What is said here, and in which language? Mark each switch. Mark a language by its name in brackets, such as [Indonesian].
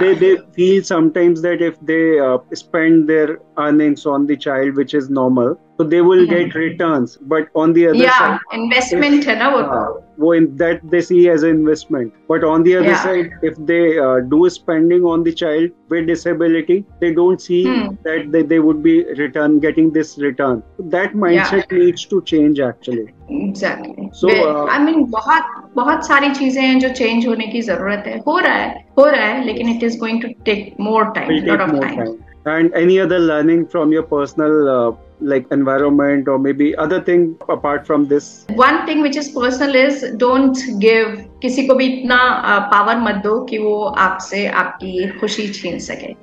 [English] They feel sometimes that if they spend their earnings on the child, which is normal, so they will get returns. But on the other side, [Hindi] investment hai na wo. [English] That they see as an investment. But on the other side, if they do spending on the child with disability, they don't see that they would be return getting this return. That mindset needs to change, actually. Exactly. So, I mean, [Hindi] बहुत सारी चीजें हैं जो change होने की जरूरत है. हो रहा है, लेकिन [English] it is going to take more time, lot of time. And any other learning from your personal like environment, or maybe other thing apart from this? One thing which is personal is, don't give [Hindi] किसी को भी इतना power मत दो कि वो आपसे आपकी खुशी छीन सके.